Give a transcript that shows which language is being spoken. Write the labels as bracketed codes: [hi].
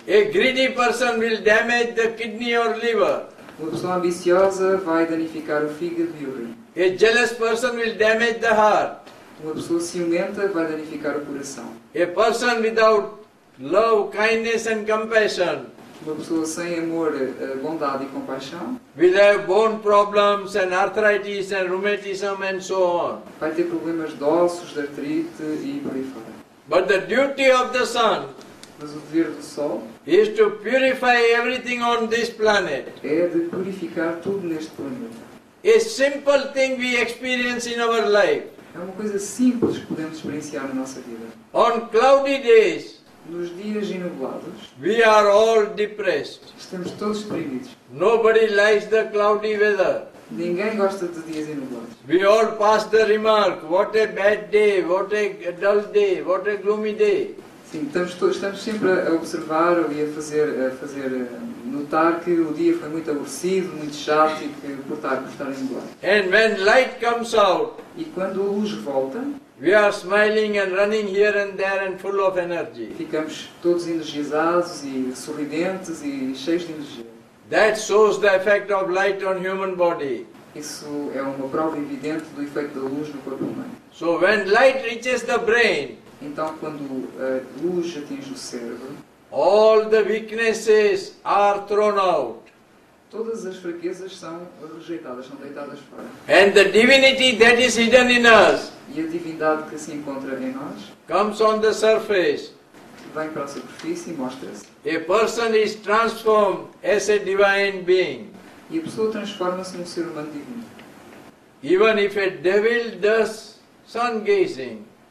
[en] A greedy person will damage the kidney or liver. [pt] Uma pessoa ambiciosa vai danificar o fígado e o rim. [en] A jealous person will damage the heart. [pt] Uma pessoa ciumenta vai danificar o coração. [en] A person without love, kindness and compassion, [pt] uma pessoa sem amor, bondade e compaixão, [en] will have bone problems and arthritis and rheumatism and so on. [pt] Vai ter problemas de ossos, de artrite e por aí fora. [en] But the duty of the sun, [pt] mas o dever do sol, [en] is to purify everything on this planet. [pt] É de purificar tudo neste planeta. [en] A simple thing we experience in our life. [pt] É uma coisa simples que podemos experienciar na nossa vida. [en] On cloudy days, [pt] nos dias inovados, [en] we are all depressed. [pt] Estamos todos deprimidos. [en] Nobody likes the cloudy weather. [pt] Ninguém gosta de dias enubados. [en] We all pass the remark, what a bad day, what a dull day, what a gloomy day. [pt] Sim, estamos sempre a observar e a fazer notar que o dia foi muito aborrecido, muito chato e que por estar enubado. [en] And when light comes out, [pt] e quando a luz volta, [en] we are smiling and running here and there and full of energy. [pt] Ficamos todos energizados e sorridentes e cheios de energia. [en] That shows the effect of light on human body. [pt] Isso é uma prova evidente do efeito da luz no corpo humano. [en] So when light reaches the brain, [pt] então quando a luz atinge o cérebro, [en] all the weaknesses are thrown out. [pt] Todas as fraquezas são rejeitadas, são deitadas fora. [en] And the divinity that is hidden in us, [pt] e a divindade que se encontra em nós, [en] comes on the surface. [pt] Vem para a superfície e mostra-se. [en] A person is transformed as a divine being. [pt] E a pessoa transforma-se num ser humano divino. [en] Even if a devil does sun gazing.